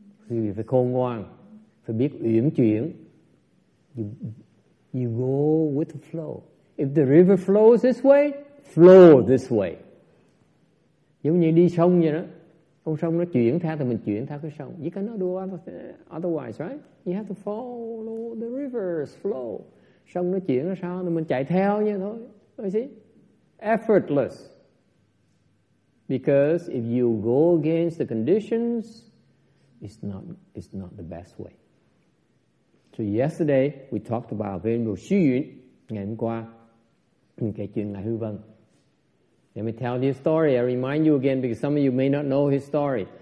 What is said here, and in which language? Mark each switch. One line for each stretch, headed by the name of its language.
Vietnamese: You phải khôn ngoan, phải biết uyển chuyển.
English: You go with the flow. If the river flows this way, flow this way.
Vietnamese: Giống như đi sông vậy đó. Con sông nó chuyển theo thì mình chuyển theo cái sông.
English: You cannot do otherwise, right? You have to follow the river's flow.
Vietnamese: Sông nó chuyển nó sao thì mình chạy theo như thôi.
English: You see? Effortless. Because if you go against the conditions, it's not the best way. So yesterday we talked about Venmo Xu Yun.
Vietnamese: Ngày hôm qua mình kể chuyện Ngài Hư Vân.
English: Let me tell you a story. I remind you again because some of you may not know his story.